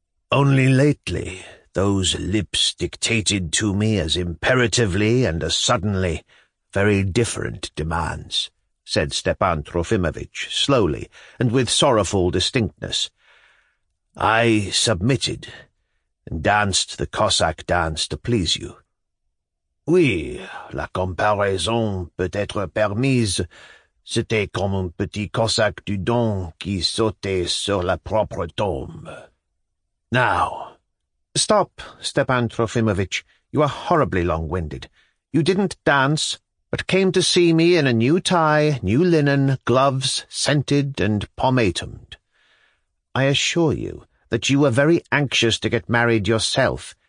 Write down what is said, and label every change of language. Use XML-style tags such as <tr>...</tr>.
<en>"Only lately those lips dictated to me as imperatively and as suddenly very different demands," said Stepan Trofimovitch, slowly and with sorrowful distinctness. "I submitted, and danced the Cossack dance to please you.</en> <fr>Oui, la comparaison peut être permise. C'était comme un petit Cossack du Don qui sautait sur la propre tombe.</fr> <en>Now, stop, Stepan Trofimovitch. You are horribly long-winded. You didn't dance, but came to see me in a new tie, new linen, gloves, scented and pomatumed. I assure you that you were very anxious to get married yourself.</en>